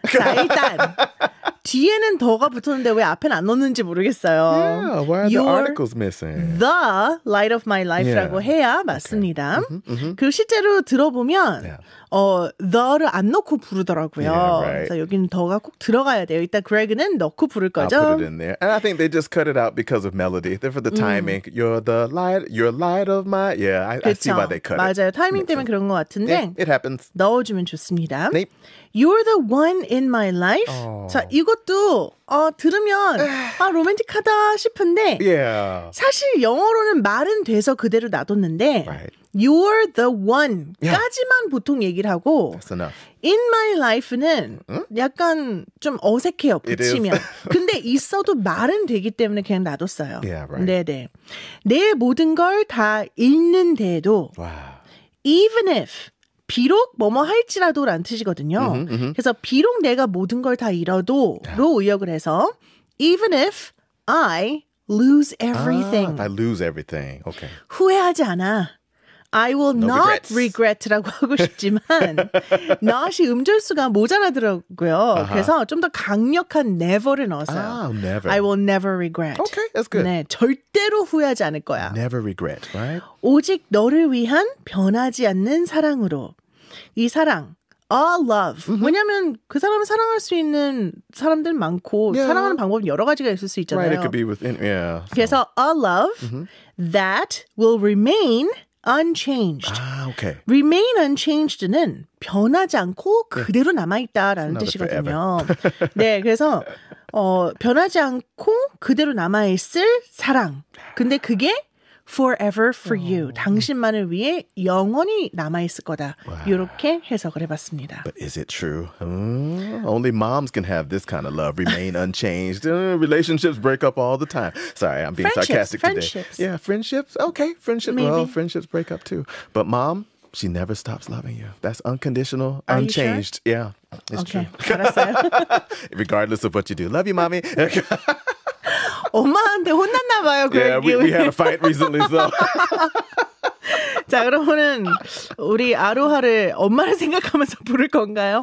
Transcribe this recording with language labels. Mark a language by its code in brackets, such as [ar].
[ko] 자, 일단 뒤에는 더가 붙었는데 왜 앞엔 안 넣었는지 모르겠어요. [en] Yeah, why are the You're articles missing? The light of my life라고 yeah. [ko] 해야 맞습니다. [en] Okay. Mm-hmm, mm-hmm. [ko] 그리고 실제로 들어보면 [en] yeah. [ko] the를 안 넣고 부르더라고요. [en] Yeah, right. [ko] 그래서 여기는 더가 꼭 들어가야 돼요. 일단 Greg는 넣고 부를 거죠. [en] I'll put it in there. And I think they just cut it out because of melody. For the timing, you're the light, you're light of my, yeah, I see why they cut [ko] 맞아요. [en] it. [ko] 맞아요. 타이밍 때문에 so. 그런 것 같은데 [en] yeah, it happens. [ko] 넣어주면 좋습니다. [en] Nate. You're the one in my life. Oh. [ko] 자, 이것도 들으면 로맨틱하다 싶은데 [en] yeah. [ko] 사실 영어로는 말은 돼서 그대로 놔뒀는데 [en] right. You're the one까지만 yeah. [ko] 보통 얘기를 하고 In my life는 응? 약간 좀 어색해요, 붙이면. [en] It is. [ko] 근데 있어도 말은 되기 때문에 그냥 놔뒀어요. [en] Yeah, right. [ko] 네네. 내 모든 걸 다 있는데도 [en] wow. [ko] Even if 비록 뭐뭐 할지라도 라는 뜻이거든요. [en] Mm-hmm, mm-hmm. [ko] 그래서 비록 내가 모든 걸 다 잃어도 로 [en] yeah. [ko] 의역을 해서 [en] Even if I lose everything. Ah, if I lose everything. Okay. [ko] 후회하지 않아. [en] I will no not regret [ko] 라고 하고 싶지만 not이 음절수가 모자라더라고요. [en] Uh-huh. [ko] 그래서 좀 더 강력한 never를 넣었어요. [en] Ah, never. I will never regret. Okay, that's good. [ko] 네, 절대로 후회하지 않을 거야. [en] Never regret, right? [ko] 오직 너를 위한 변하지 않는 사랑으로 이 사랑 A love. [en] Mm-hmm. [ko] 왜냐면 그 사람을 사랑할 수 있는 사람들 많고 [en] yeah. [ko] 사랑하는 방법은 여러 가지가 있을 수 있잖아요. [en] Right, it could be within, yeah. So. [ko] 그래서 a love [en] mm-hmm. that will remain unchanged. [ko] 아, okay. Remain unchanged는 변하지 않고 그대로 남아있다라는 뜻이거든요. 네, 그래서 변하지 않고 그대로 남아있을 사랑. 근데 그게 [en] forever for you. [ko] 당신만을 위해 영원히 남아있을 거다. 이렇게 해석을 해봤습니다. [en] But is it true? Only moms can have this kind of love. Remain unchanged. Relationships break up all the time. Sorry, I'm being sarcastic today. Friendships. Yeah, friendships. Okay, friendships. Well, friendships break up too. But mom, she never stops loving you. That's unconditional, Are unchanged. Sure? Yeah, it's okay. true. [ko] 알았어요. [en] Regardless of what you do. Love you, mommy. [ko] 엄마한테 혼났나 봐요. [en] Yeah, we had a fight recently, so. [ko] 자, 그러면 우리 아로하를 엄마를 생각하면서 부를 건가요?